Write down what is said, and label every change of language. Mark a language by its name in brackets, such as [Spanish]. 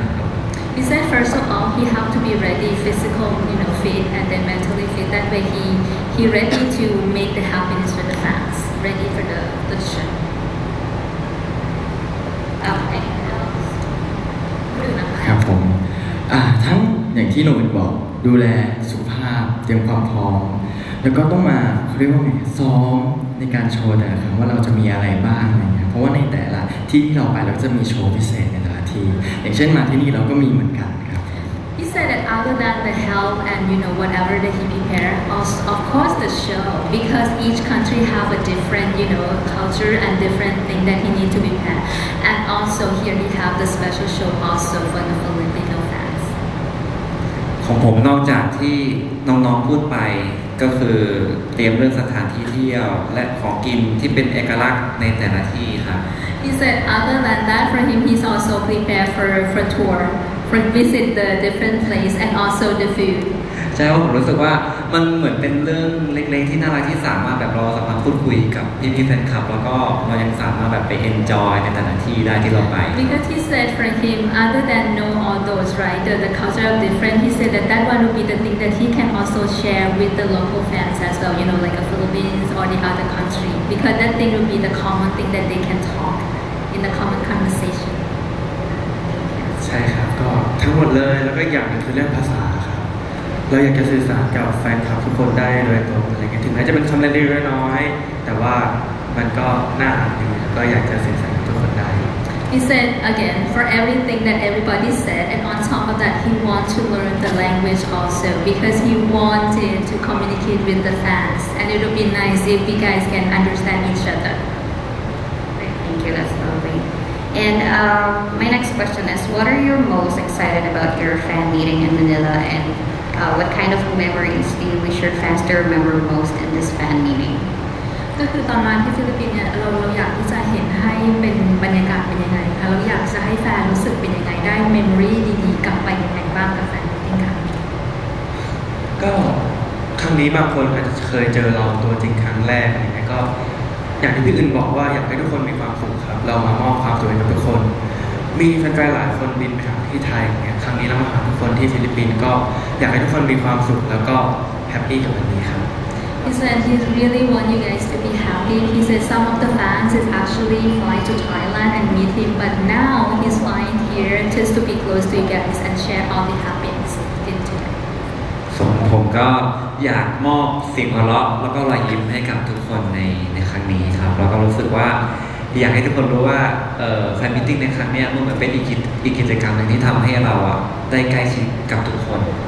[English] บ He said first of all he have to be ready physical you know fit and then mentally fit that way he ready to make the happiness for the fans ready for the show anything else [Thai] ครับผมทั้งอย่างที่หนูบอกดูแลสุขภาพเตรียมความพร้อมแล้วก็ต้องมาเขาเรียกว่าไงซ้อมในการโชว์แต่ละครั้งว่าเราจะมีอะไรบ้างอะไรเงี้ยเพราะว่าในแต่ละที่ที่เราไปเราจะมีโชว์พิเศษในแต่ละที่อย่างเช่นมาที่นี่เราก็มีเหมือนกันครับ [English] He said that other than the help and you know whatever that he prepare of course the show because each country have a different you know culture and different thing that he need to prepare and also here he have the special show also for the Filipino fans [Thai] ของผมนอกจากที่น้องๆพูดไปก็คือเตรียมเรื่องสถานที่เที่ยวและของกินที่เป็นเอกลักษณ์ในแต่ละที่ครับ [English] He said other than that for him he's also prepared for tour for visit the different place and also the food [Thai] ใช่ครับผมรู้สึกว่ามันเหมือนเป็นเรื่องเล็กๆที่น่ารักที่สามารถแบบเราสามารถพูดคุยกับพี่ๆแฟนคลับแล้วก็เรายังสามารถแบบไป enjoy ในแต่ละที่ได้ที่เราไป [English] Because he said for him other than know all those right the culture of different he said that one would be the thing that he can also share with the local fans as well you know like a Philippines or the other country because that thing would be the common thing that they can talk in the common conversation [Thai] ใช่ครับก็ทั้งหมดเลยแล้วก็อย่างนึงคือเรื่องภาษาครับเราอยากจะสื่อสารกับแฟนคลับทุกคนได้โดยตรงอะไรเงี้ยถึงแม้จะเป็นคำเล็กน้อยแต่ว่ามันก็น่าอ่านดีก็อยากจะสื่อสารกับทุกคนได้ [English] He said again, for everything that everybody said, and on top of that, he wanted to learn the language also because he wanted to communicate with the fans, and it would be nice if you guys can understand each other. Thank you, that's lovely. And my next question is, what are you most excited about your fan meeting in Manila, and what kind of memories do you wish your fans to remember most in this fan meeting? [Thai] ก็คือตอนมาที่ฟิลิปปินส์เนี่ยเราอยากที่จะเห็นให้เป็นบรรยากาศเป็นยังไงคะเราอยากจะให้แฟนรู้สึกเป็นยังไงได้ memory ดีๆกลับไปยังไงบ้างกับแฟนจริงค่ะ ก็ครั้งนี้บางคนอาจจะเคยเจอเราตัวจริงครั้งแรกอย่างนี้ก็อย่างที่พี่อื่นบอกว่าอยากให้ทุกคนมีความสุขครับเรามามอบความสุขให้กับทุกคนมีแฟนๆหลายคนบินมาที่ไทยเนี่ยครั้งนี้เรามาหาทุกคนที่ฟิลิปปินส์ก็อยากให้ทุกคนมีความสุขแล้วก็แฮปปี้กับวันนี้ครับ [English] He said he really want you guys to be happy. He said some of the fans is actually flying to Thailand and meet him, but now he's flying here just to be close to you guys and share all the happiness today. [Thai] So, ผมก็อยากมอบเสียงหัวเราะแล้วก็รอยยิ้มให้กับทุกคนในครั้งนี้ครับแล้วก็รู้สึกว่าอยากให้ทุกคนรู้ว่าแฟนมีตติ้งในครั้งนี้มันเป็นอีกกิจกรรมนึงที่ทำให้เราได้ใกล้ชิดกับทุกคน